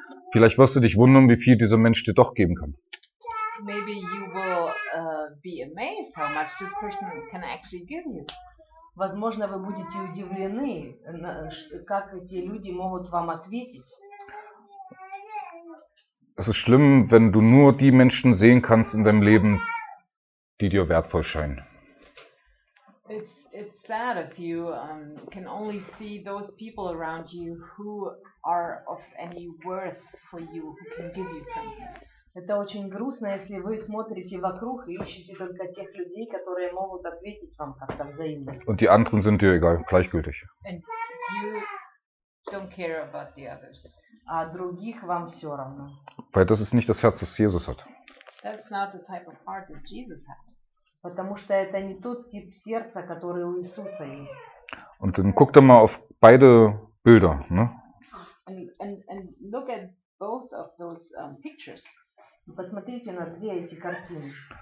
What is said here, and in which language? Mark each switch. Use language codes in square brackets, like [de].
[de] Vielleicht wirst du dich wundern, wie viel dieser Mensch dir doch geben kann. [en] Maybe you will be amazed how much this person can actually give you. [ru] Возможно, вы будете удивлены, как эти люди могут вам ответить. [de] Es ist schlimm, wenn du nur die Menschen sehen kannst in deinem Leben, die dir wertvoll scheinen. [en] It's sad if you can only see those people around you who are of any worth for you, who can give you something. [ru] Это очень грустно, если вы смотрите вокруг и ищете только тех людей, которые могут ответить вам как-то взаимно. [de] Und die anderen sind dir egal, gleichgültig. [en] And you don't care about the others. [ru] А других вам все равно. [de] Weil das ist nicht das Herz, das Jesus hat. [en] That's not the type of heart that Jesus had. [ru] Потому что это не тот тип сердца, который у Иисуса есть. [de] Und dann guck doch mal auf beide Bilder, ne? [en] And look at both of those pictures. [ru] Посмотрите на две эти картины.